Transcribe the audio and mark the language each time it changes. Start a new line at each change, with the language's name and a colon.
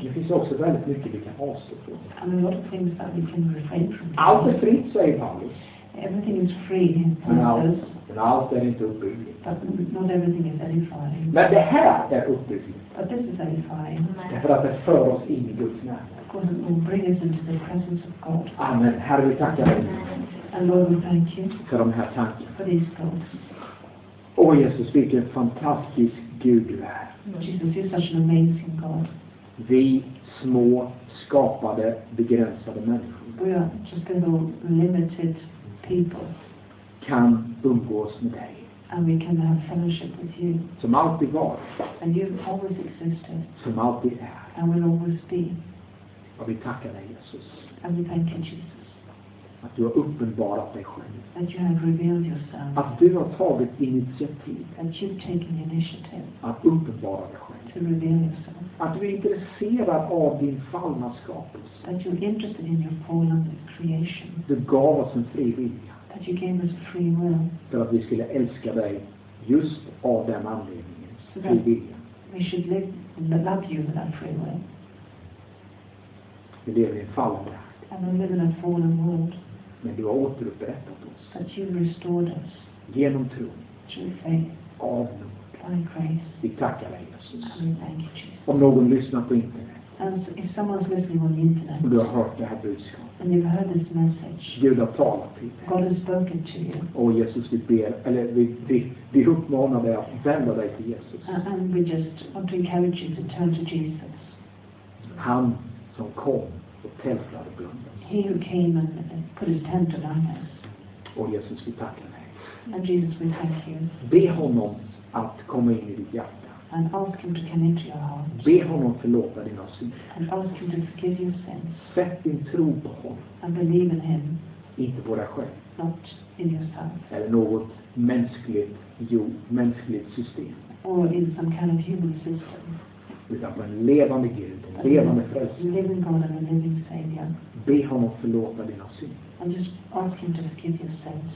Swedish: Det finns också väldigt mycket vi kan avstå från.
English: And a lot of things that we can refrain from.
Swedish: Allt är fritt, säger Paulus.
English: Everything is free, Paulus. And all that is open. But not everything is edifying. But the hell that opens. But this is edifying.
Swedish: Därför att det för oss in i Guds närvaro.
English: Because it will bring us into the presence of God.
Swedish: Amen. Herre, vi tackar dig.
English: And Lord, we thank you.
Swedish: För de här tankarna.
English: For these thoughts.
Swedish: Oh, Jesus, vilken fantastisk Gud du är.
English: Jesus, you're such an amazing God.
Swedish: Vi små, skapade, begränsade människor.
English: We are just little limited people.
Swedish: Kan umgås med dig.
English: And we can have fellowship with you.
Swedish: Som alltid var.
English: And you've always existed.
Swedish: Som alltid är.
English: And will always be.
Swedish: Och vi tackar dig, Jesus.
English: And we thank you, Jesus.
Swedish: Att du har uppenbarat dig själv.
English: That you have revealed yourself.
Swedish: Att du har tagit initiativ.
English: That you've taken initiative.
Swedish: Att uppenbara dig själv.
English: To reveal yourself.
Swedish: Att du är intresserad av din fallna skapelse.
English: That you're interested in your fallen creation.
Swedish: Du gav oss en fri vilja.
English: That you gave us free will.
Swedish: För att vi skulle älska dig just av den anledningen. So fri vilja.
English: We should love you with that free will.
Swedish: Vi lever i en fallen värld.
English: And we live in a fallen world.
Swedish: Men du har återupprättat oss.
English: That you restored us.
Swedish: Genom tro.
English: Through faith.
Swedish: Av nåd.
English: By grace.
Swedish: Vi tackar dig, Jesus.
English: And we thank you, Jesus.
Swedish: Om någon lyssnar på internet.
English: And if someone's listening on the internet.
Swedish: Och du har hört det här budskapet.
English: And you've heard this message.
Swedish: Gud har talat till dig.
English: God has spoken to you.
Swedish: Och Jesus, vi ber, eller vi uppmanar dig att vända dig till Jesus.
English: And we just want to encourage you to turn to Jesus.
Swedish: Han som kom. Och tältade bland oss.
English: He who came and put his tent among us.
Swedish: Och Jesus, vi tackar dig.
English: And Jesus, we thank you.
Swedish: Be honom att komma in i ditt hjärta.
English: And ask him to come into your heart.
Swedish: Be honom förlåta dina synd.
English: And ask him to forgive your sins.
Swedish: Sätt din tro på honom.
English: And believe in him.
Swedish: Inte på dig själv.
English: Not in yourself.
Swedish: Eller något mänskligt, mänskligt system.
English: Or in some kind of human system.
Swedish: Utan på en levande Gud, en levande frälsare.
English: Living God and a living Savior.
Swedish: Be honom förlåta dina synd.
English: And just ask him to forgive your sins.